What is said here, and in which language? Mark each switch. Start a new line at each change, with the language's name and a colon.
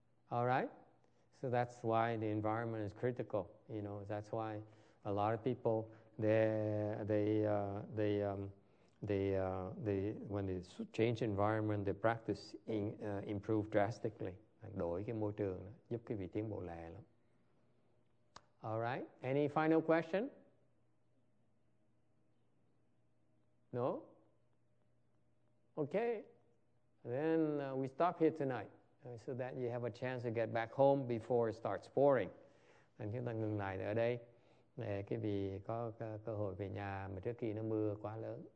English: All right, so that's why the environment is critical. You know, that's why a lot of people when they change environment, their practice improve drastically.
Vietnamese: Đổi cái môi trường giúp quý vị tiến bộ lẹ lắm.
English: All right, any final question? No. Okay, then we stop here tonight. So that you have a chance to get back home before it starts pouring.
Vietnamese: Anh chúng ta ngừng lại ở đây, để quý vị có cơ hội về nhà mà trước khi nó mưa quá lớn.